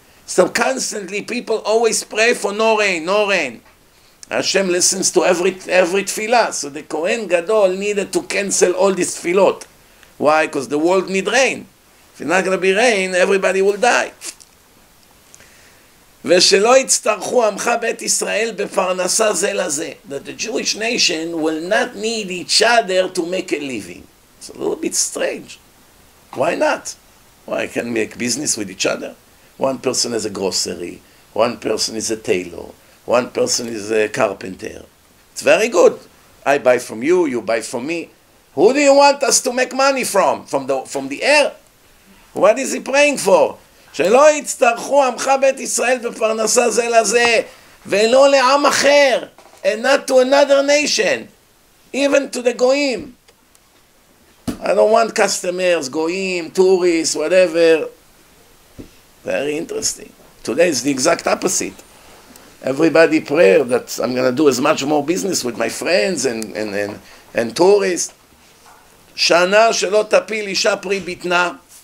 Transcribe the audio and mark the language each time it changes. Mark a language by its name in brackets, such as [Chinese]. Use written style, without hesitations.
[English] So constantly, people always pray for no rain, no rain. Hashem listens to every tefillah. So the Kohen Gadol needed to cancel all these tefillot. Why? Because the world needs rain. If it's not going to be rain, everybody will die. [Hebrew] ושלא יצטרכו עמך בית ישראל בפרנסה זה לזה. [English] That the Jewish nation will not need each other to make a living. It's a little bit strange. Why not? Why I can make business with each other? One person is a grocery, one person is a tailor, one person is a carpenter. It's very good. I buy from you, you buy from me. Who do you want us to make money from? From the air? What is he praying for? [Hebrew] שלא יצטרכו עמך בית ישראל בפרנסה זה לזה, ולא לעם אחר, [English] and not to another nation, even to the goyim. I don't want customers, goyim, tourists, whatever. Very interesting. Today is the exact opposite. Everybody prayer that I'm going to do as much more business with my friends and tourists. [Hebrew] שנה שלא תפיל אישה פרי ביתנה.